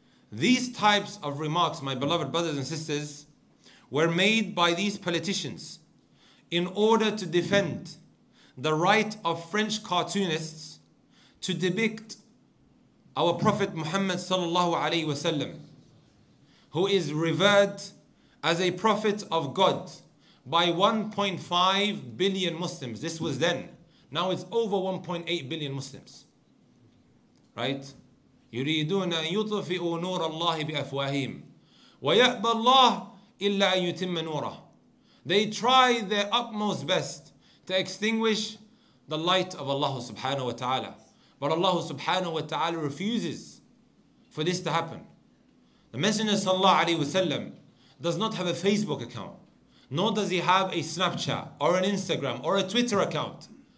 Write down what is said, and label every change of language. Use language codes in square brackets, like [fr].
[en] These types of remarks, my beloved brothers and sisters, were made by these politicians in order to defend the right of French cartoonists to depict our Prophet Muhammad sallallahu alaihi wasallam, who is revered as a prophet of God by 1.5 billion Muslims. This was then. Now it's over 1.8 billion Muslims. Right? [ar] يريدون أن يطفئوا نور الله بأفواههم ويأبى الله إلا أن يتم نوره. [en] They try their utmost best to extinguish the light of Allah subhanahu wa ta'ala. But Allah subhanahu wa ta'ala refuses for this to happen. The Messenger sallallahu alayhi wasallam does not have a Facebook account, nor does he have a Snapchat or an Instagram or a Twitter account.